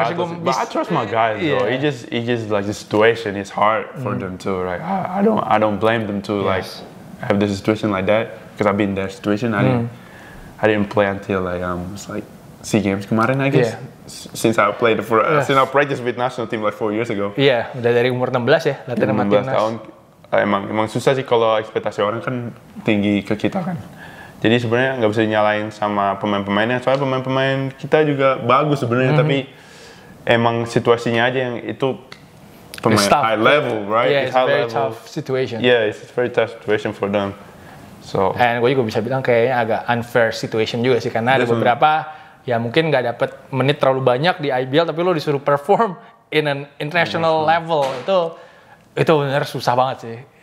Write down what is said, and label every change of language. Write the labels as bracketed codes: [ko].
[id] harus gue. [en] But I trust my guys though. Yeah. It just like the situation is hard for them too, right? I don't blame them too, like have this situation like that because I've been in that situation. I didn't play until like it's like SEA Games kemarin, I guess. Yeah. Since I practiced with national team like 4 years ago. [id] Iya, udah dari umur 16 ya, latihan sama timnas. 16 tahun, emang susah sih kalau ekspektasi orang kan tinggi ke kita kan. Jadi sebenarnya nggak bisa nyalain sama pemain-pemainnya, soalnya pemain-pemain kita juga bagus sebenarnya, tapi emang situasinya aja yang itu pemain [en] it's tough, high level, right? Yeah, it's a very tough situation. Yeah, it's a very tough situation for them. So. [id] And gue juga bisa bilang kayaknya agak [en] unfair situation [id] juga sih, karena ada beberapa ya mungkin nggak dapet menit terlalu banyak di IBL tapi lo disuruh perform [en] in an international level, [id] itu benar susah banget sih.